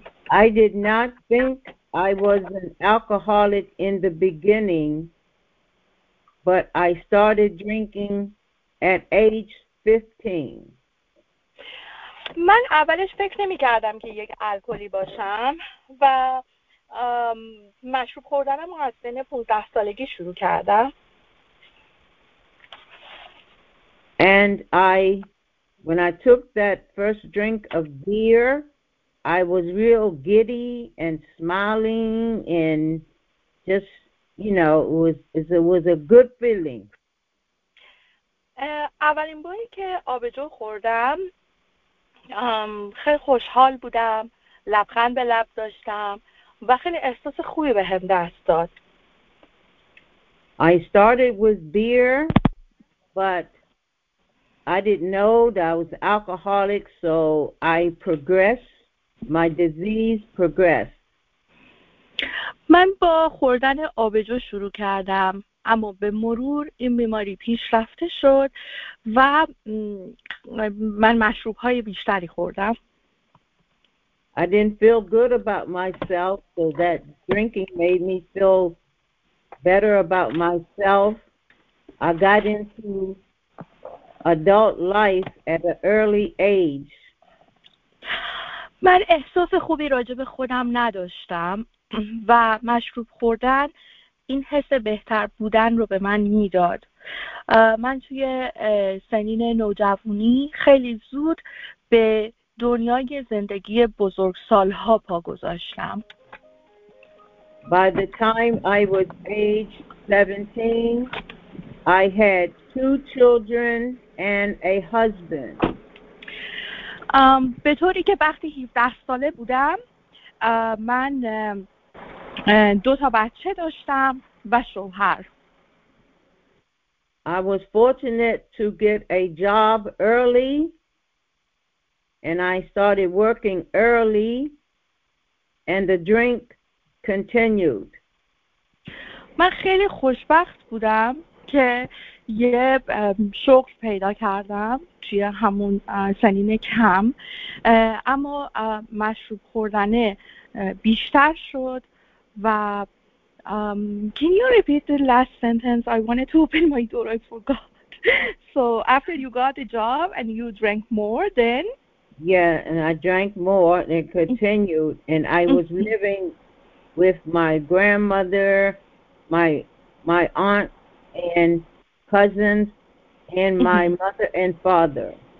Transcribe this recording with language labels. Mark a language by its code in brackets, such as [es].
[en] I did not think I was an alcoholic in the beginning, but I started drinking at age 15. [fa] من اولش فکر نمی کردم که یک الکلی باشم و مشروب خوردنم رو از سن 15 سالگی شروع کردم. [en] And when I took that first drink of beer, I was real giddy and smiling and just, you know, it was a good feeling. [fa] اولین باری که آبجو خوردم خیلی خوشحال بودم، لبخند به لب داشتم و خیلی احساس خوبی به هم دست داد. [en] I started with beer, but I didn't know that I was an alcoholic, so I progressed. My disease progressed. [fa] من با خوردن آبجو شروع کردم اما به مرور این بیماری پیش رفته شد و من مشروب های بیشتری خوردم. [en] I didn't feel good about myself, so that drinking made me feel better about myself. I got into adult life at an early age. [fa] من احساس خوبی راجع به خودم نداشتم و مشروب خوردن این حس بهتر بودن رو به من میداد. من توی سنین نوجوانی خیلی زود به دنیای زندگی بزرگ سالها پا گذاشتم. [en] By the time I was age 17, I had two children and a husband. [fa] به طوری که وقتی 17 ساله بودم من دو تا بچه داشتم و شوهر. [en] I was fortunate to get a job early and I started working early and the drink continued. [fa] من خیلی خوشبخت بودم که یه شغل پیدا کردم توی همون سنین کم، اما مشروب خوردن بیشتر شد. [en] Can you repeat the last sentence? I wanted to open my door, I forgot. So after you got a job and you drank more, then? Yeah, and I drank more and continued. And I was living with my grandmother, my aunt and cousins, and my mother and father.